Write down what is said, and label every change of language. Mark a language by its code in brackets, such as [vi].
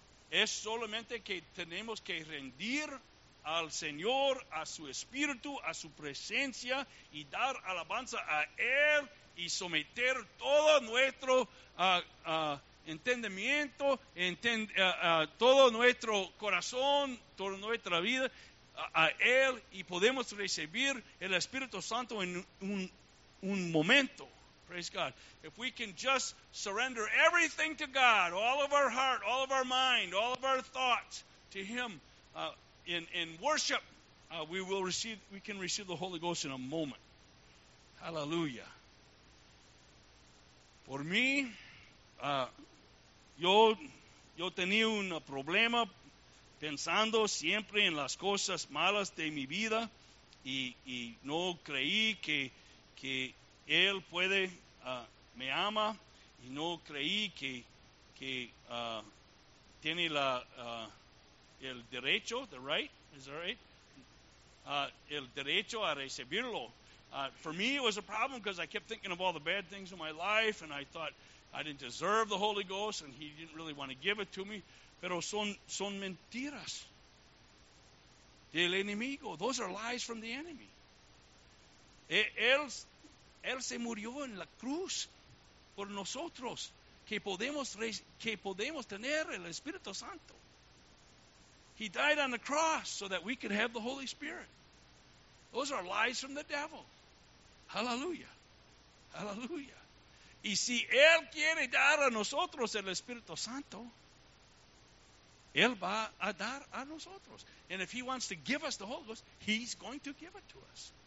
[es] Es solamente que tenemos que rendir al Señor, a su Espíritu, a su presencia, y dar alabanza a Él y someter todo nuestro entendimiento, todo nuestro corazón, toda nuestra vida a Él, y podemos recibir el Espíritu Santo en un momento. [en] Praise God. If we can just surrender everything to God, all of our heart, all of our mind, all of our thoughts to Him, in worship, we can receive the Holy Ghost in a moment. Hallelujah. [es] Por mí, yo tenía un problema pensando siempre en las cosas malas de mi vida y no creí que Él puede, me ama, y no creí que tiene el derecho, [en] the right, is that right? [es] El derecho a recibirlo. [en] For me, it was a problem because I kept thinking of all the bad things in my life, and I thought I didn't deserve the Holy Ghost, and He didn't really want to give it to me. [es] Pero son mentiras. del enemigo. [en] Those are lies from the enemy. [es] Él se murió en la cruz por nosotros, que podemos tener el Espíritu Santo. [en] He died on the cross so that we could have the Holy Spirit. Those are lies from the devil. Hallelujah. Hallelujah. [es] Y si Él quiere dar a nosotros el Espíritu Santo, Él va a dar a nosotros. [en] And if He wants to give us the Holy Ghost, He's going to give it to us.